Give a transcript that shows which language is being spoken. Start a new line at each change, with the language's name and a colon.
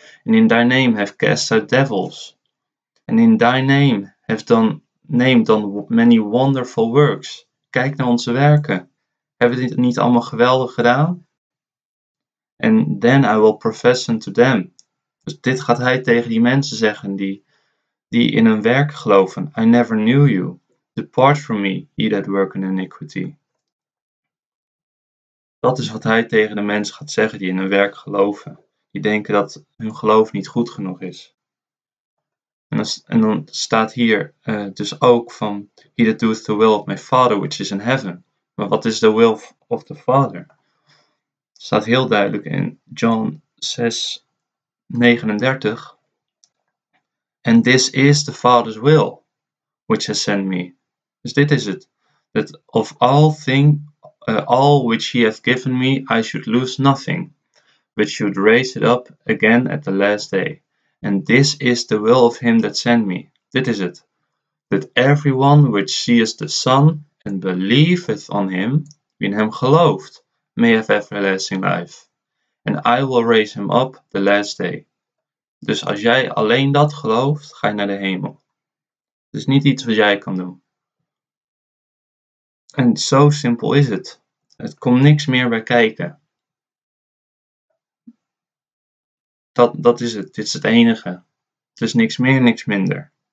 English: And in thy name have cast out devils. And in thy name have done many wonderful works.
Dutch: Kijk naar onze werken. Hebben we dit niet allemaal geweldig gedaan?
English: And then I will profess unto them.
Dutch: Dus dit gaat hij tegen die mensen zeggen die in hun werk geloven.
English: I never knew you. Depart from me, ye that work in iniquity.
Dutch: Dat is wat hij tegen de mensen gaat zeggen die in hun werk geloven. Die denken dat hun geloof niet goed genoeg is. En dan staat hier dus ook van,
English: he that doeth the will of my Father, which is in heaven.
Dutch: Maar wat is
English: the will of the Father?
Dutch: Staat heel duidelijk in John 6, 39.
English: And this is the Father's will, which has sent me.
Dutch: Dus dit is het.
English: That of all things, all which he hath given me, I should lose nothing, but should raise it up again at the last day. And this is the will of him that sent me.
Dutch: Dit is het.
English: That everyone which seeth the Son and believeth on him,
Dutch: wie in hem gelooft,
English: may have everlasting life. And I will raise him up the last day.
Dutch: Dus als jij alleen dat gelooft, ga je naar de hemel. Het is niet iets wat jij kan doen. En zo simpel is het. Het komt niks meer bij kijken. Dat is het. Dit is het enige. Het is niks meer, niks minder.